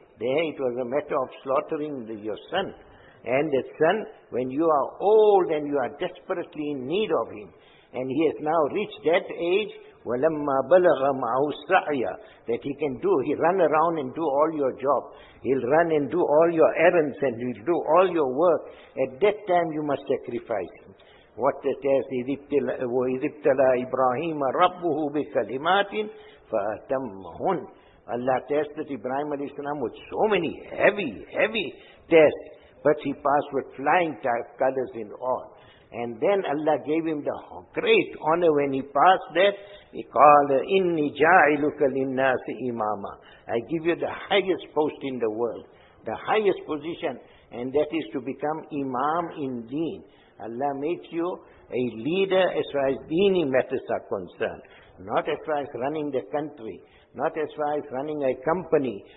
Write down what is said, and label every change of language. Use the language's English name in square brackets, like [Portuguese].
[English] There it was a matter of slaughtering your son. And the son, when you are old and you are desperately in need of him, and he has now reached that age, [Arabic] وَلَمَّا بَلَغَ مَعُ السَّعْيَ, [English] that he can do, he'll run around and do all your job. He'll run and do all your errands and he'll do all your work. At that time you must sacrifice him. What it says, [Arabic] إِذِ ابْتَلَى إِبْرَاهِيمَ رَبُّهُ بِكَلِمَاتٍ فَأَتَمَّهُنْ. [English] Allah tested Ibrahim alayhi salam with so many heavy, heavy tests, but he passed with flying colors in all. And then Allah gave him the great honor when he passed that. He called, [Arabic] إِنِّي جَاعِلُكَ لِلنَّاسِ إِمَامًا. [English] I give you the highest post in the world, the highest position, and that is to become imam in deen. Allah makes you a leader as far as deeni matters are concerned. Not as far as running the country. Not as far as running a company.